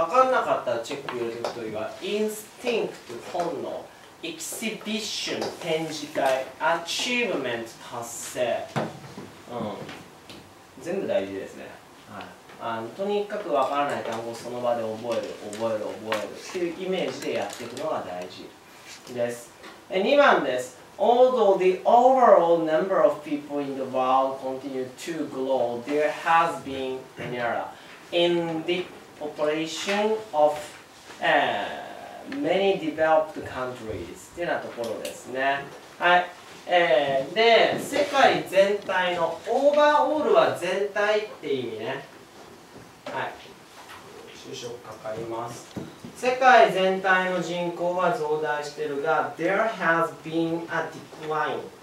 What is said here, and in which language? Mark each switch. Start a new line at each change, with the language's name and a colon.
Japanese: 分かんなかったらチェック入れておくといいわ。インスティンクト、本能、エキシビション、展示会、アチーブメント、達成、うん、全部大事ですね。はい、とにかく分からない単語をその場で覚える、覚える、覚えるっていうイメージでやっていくのが大事です。 2番です。
English: Although the overall number of people in the world continue to grow, there has been an era in the population of、many developed countries.
Japanese: っていうようなところですね。はい、で、世界全体の overall は全体って意味ね。はい、就職かかります。世界全体の人口は増大しているが、
English: There has been a decline。